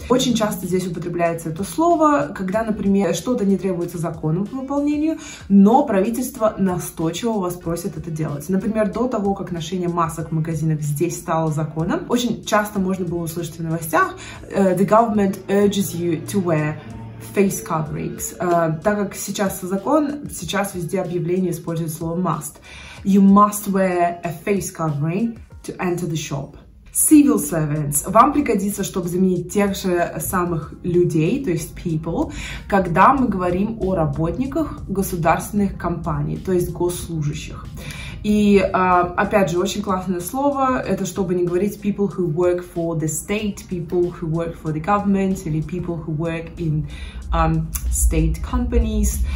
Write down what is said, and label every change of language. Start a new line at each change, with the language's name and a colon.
Russian: Очень часто здесь употребляется это слово, когда, например, что-то не требуется законом по выполнению, но правительство настойчиво вас просит это делать. Например, до того, как ношение масок в магазинах здесь стало законом, очень часто можно было услышать в новостях
English: «The government urges you to wear face coverings».
Russian: Так как сейчас закон, сейчас везде объявление использует слово «must».
English: «You must wear a face covering to enter the shop». Civil servants.
Russian: Вам пригодится, чтобы заменить тех же самых людей, то есть people, когда мы говорим о работниках государственных компаний, то есть госслужащих. И, опять же, очень классное слово, это чтобы не говорить
English: people who work for the state, people who work for the government,
Russian: или
English: people who work in state companies.